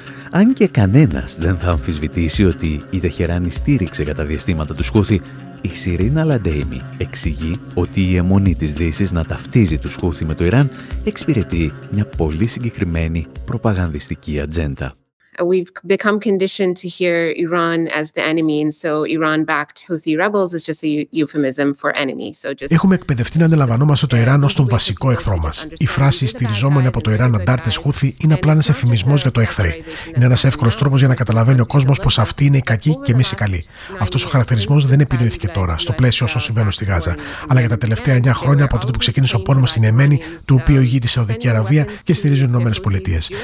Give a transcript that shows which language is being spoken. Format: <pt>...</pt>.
<el>Αν και κανένας δεν θα αμφισβητήσει ότι η Τεχεράνη στήριξε κατά διαστήματα τους Χούθη, η Σιρίν Αλαντέιμι εξηγεί ότι η αιμονή της Δύσης να ταυτίζει τους Χούθη με το Ιράν εξυπηρετεί μια πολύ συγκεκριμένη προπαγανδιστική ατζέντα.</el> <en>We've become conditioned to hear Iran as the enemy, and so Iran-backed Houthi rebels is just a euphemism for enemy. So just.</en> <el>Έχουμε εκπαιδευτεί να αντιλαμβανόμαστε το Ιράν ως τον βασικό εχθρό μας. Η φράση «στηριζόμενοι από το Ιράν αντάρτες Χούθη» είναι απλά ένας εφημισμός για το εχθρό. Είναι ένας εύκολος τρόπος για να καταλαβαίνει ο κόσμος πως αυτοί είναι οι κακοί και εμείς οι καλοί. Αυτός ο χαρακτηρισμός δεν επινοήθηκε τώρα, στο πλαίσιο όσων συμβαίνουν στη Γάζα, αλλά για τα τελευταία 9 χρόνια από τότε που ξεκίνησε ο πόλεμος στην Ιεμένη, του οποίου ηγείται η Σαουδική Αραβία και στηρίζουν οι Ηνωμένες Πολιτείες.</el>